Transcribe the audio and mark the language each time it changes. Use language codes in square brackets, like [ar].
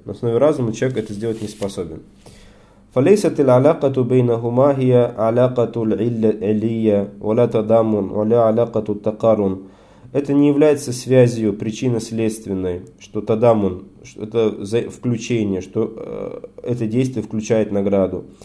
[ru] На основе разума человек это сделать не способен. [ar] فليست العلاقة بينهما هي علاقة العلية ولا تضامن ولا علاقة التقارن. [ru] Это не является связью причинно-следственной, что тадамун, что это включение, что это действие включает награду.